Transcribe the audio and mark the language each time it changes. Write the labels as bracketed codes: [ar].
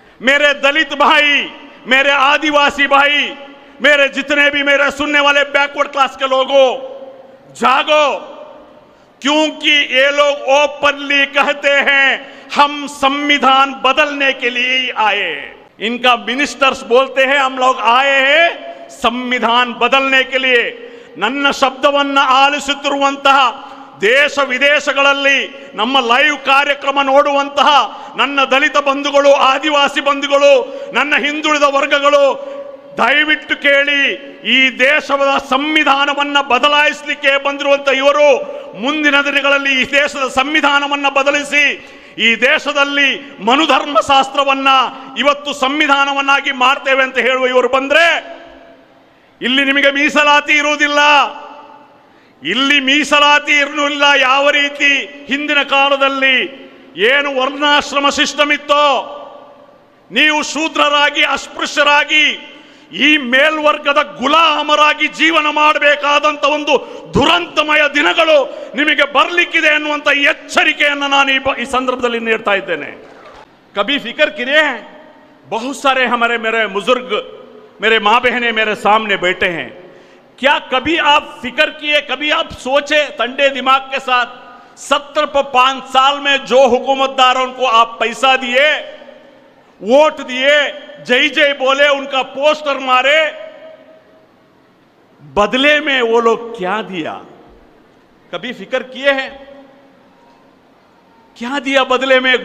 [hi] मेरे दलित भाई, मेरे आदिवासी भाई, मेरे जितने भी मेरे सुनने वाले बैकवर्ड क्लास के लोगों, जागो, क्योंकि ये लोग ओपनली कहते हैं हम संविधान बदलने के लिए आए। इनका मिनिस्टर्स बोलते हैं हम लोग आए हैं संविधान बदलने के लिए। [kn] ನನ್ನ ಶಬ್ದವನ್ನ ಆಲಿಸುತ್ತಿರುವಂತಹ ದೇಶ ವಿದೇಶಗಳಲ್ಲಿ ನಮ್ಮ ಲೈವ್ ಕಾರ್ಯಕ್ರಮ ನೋಡುವಂತಹ ನನ್ನ ದಲಿತ ಬಂಧುಗಳು, ಆದಿವಾಸಿ ಬಂಧುಗಳು, ನನ್ನ ಹಿಂದುಳಿದ ವರ್ಗಗಳು, ದಯವಿಟ್ಟು ಕೇಳಿ, ಈ ದೇಶದ ಸಂವಿಧಾನವನ್ನು ಬದಲಾಯಿಸಲಿಕ್ಕೆ ಬಂದಿರುವಂತಹ ಇವರು ಮುಂದಿನ ದಿನಗಳಲ್ಲಿ ಈ ದೇಶದ ಸಂವಿಧಾನವನ್ನು ಬದಲಿಸಿ ಈ ದೇಶದಲ್ಲಿ ಮನುಧರ್ಮ ಶಾಸ್ತ್ರವನ್ನ ಇವತ್ತು ಸಂವಿಧಾನವನ್ನಾಗಿ ಮಾಡ್ತೇವೆ ಅಂತ ಹೇಳುವ ಇವರು ಬಂದ್ರೆ ಇಲ್ಲಿ ನಿಮಗೆ ಮೀಸಲಾತಿ ಇರುವುದಿಲ್ಲ, ಇಲ್ಲಿ ಮೀಸಲಾತಿ ಇರಲಿಲ್ಲ. ಯಾವ ರೀತಿ ಹಿಂದಿನ ಕಾಲದಲ್ಲಿ ಏನು ವರ್ಣಾಶ್ರಮ ಸಿಸ್ಟಮ್ ಇತ್ತೋ, ನೀವು ಶೂದ್ರರಾಗಿ, ಅಸ್ಪೃಶ್ಯರಾಗಿ, ಈ ಮೇಲ್ವರ್ಗದ ಗುಲಾಮರಾಗಿ ಜೀವನ ಮಾಡಬೇಕಾದಂತ ಒಂದು ದುರಂತಮಯ ದಿನಗಳು ನಿಮಗೆ ಬರಲಿಕ್ಕಿದೆ ಅನ್ನುವಂತ ಎಚ್ಚರಿಕೆಯನ್ನು ನಾನು ಈ ಸಂದರ್ಭದಲ್ಲಿ ನೀಡ್ತಾ ಇದ್ದೇನೆ. [hi] ಕಭಿ ಫಿಕರ್ ಕಿರೇ ಬಹು ಸಾರೆ ಹಮರೆ ಮೇರೆ ಮುಜುರ್ಗ್, मेरे माँ बहने मेरे सामने बैठे हैं, क्या कभी आप फिक्र किए, कभी आप सोचे ठंडे दिमाग के साथ, 17-5 साल में जो हुकूमतदारों को आप पैसा दिए, वोट दिए, जय जय बोले, उनका पोस्टर मारे, बदले में वो लोग क्या दिया, कभी फिक्र किए हैं क्या दिया बदले में?